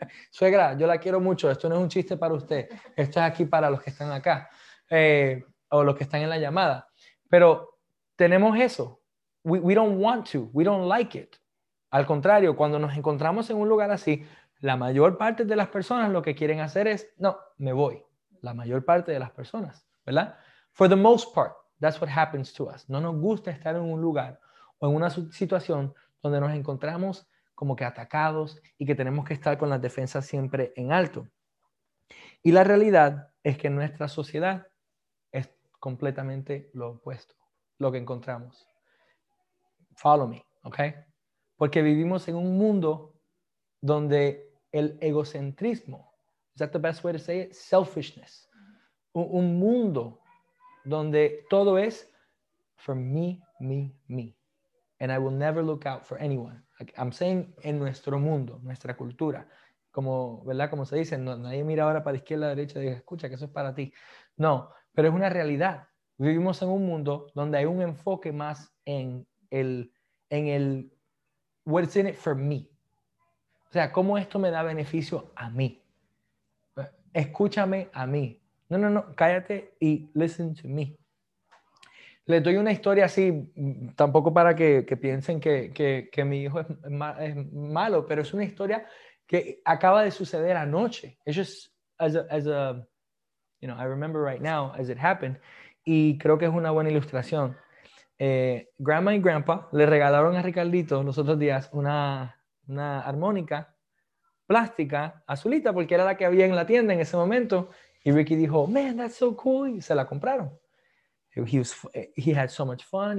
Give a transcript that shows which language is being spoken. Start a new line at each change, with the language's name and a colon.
Spanish: Suegra, yo la quiero mucho. Esto no es un chiste para usted. Esto es aquí para los que están acá o los que están en la llamada. Pero tenemos eso.
English: We don't want to. We don't like it.
Spanish: Al contrario, cuando nos encontramos en un lugar así, la mayor parte de las personas lo que quieren hacer es, no, me voy. La mayor parte de las personas, ¿verdad? For the most part, that's what happens to us. No nos gusta estar en un lugar o en una situación donde nos encontramos como que atacados y que tenemos que estar con las defensas siempre en alto. Y la realidad es que nuestra sociedad es completamente lo opuesto, lo que encontramos.
English: Follow me, okay?
Spanish: Porque vivimos en un mundo donde el egocentrismo,
English: is that the best way to say it? Selfishness.
Spanish: Un mundo donde todo es
English: for me, me, me. And I will never look out for anyone. I'm saying
Spanish: en nuestro mundo, nuestra cultura. Como, ¿verdad? Como se dice, no, nadie mira ahora para la izquierda, la derecha y dice, escucha, que eso es para ti. No, pero es una realidad. Vivimos en un mundo donde hay un enfoque más en el
English: what's in it for me.
Spanish: O sea, ¿cómo esto me da beneficio a mí? Escúchame a mí. No, cállate y
English: listen to me.
Spanish: Les doy una historia así, tampoco para que piensen que mi hijo es malo, pero es una historia que acaba de suceder anoche.
English: It's just as a, you know, I remember right now as it happened.
Spanish: Y creo que es una buena ilustración. Grandma y Grandpa le regalaron a Ricardito los otros días una armónica plástica azulita, porque era la que había en la tienda en ese momento. Y Ricky dijo,
English: man, that's so cool.
Spanish: Y se la compraron.
English: He had so much fun.